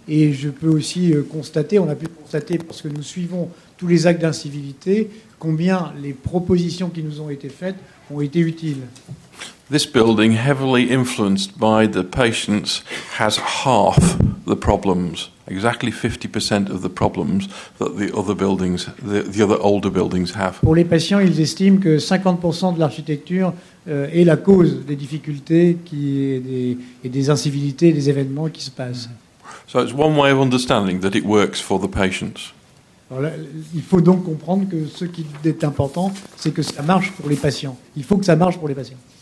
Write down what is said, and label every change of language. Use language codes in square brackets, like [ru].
[fr] Et je peux aussi constater, parce que nous suivons tous les actes d'incivilité, combien les propositions qui nous ont été faites ont été utiles. [en] This building, heavily influenced by the patients, has half the problems, exactly 50% of the problems that the other older buildings have. [fr] Pour les patients, ils estiment que 50% de l'architecture est la cause des difficultés et des incivilités, des événements qui se passent. [en] So it's one way of understanding that it works for the patients. [fr] Là, il faut donc comprendre que ce qui est important, c'est que ça marche pour les patients. Il faut que ça marche pour les patients.